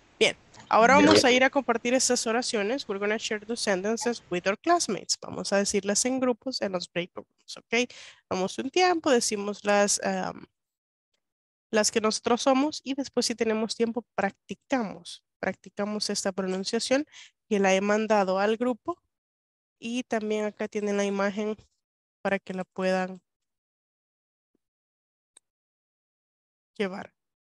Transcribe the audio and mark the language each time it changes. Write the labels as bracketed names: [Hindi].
[Spanish] Bien, ahora vamos a ir a compartir estas oraciones. [English] We're going to share the sentences with our classmates. [Spanish] Vamos a decirlas en grupos en los break rooms. Okay, damos un tiempo, decimos las que nosotros somos y después si tenemos tiempo practicamos. Practicamos esta pronunciación que la he mandado al grupo. Y también acá tienen la imagen para que la puedan llevar.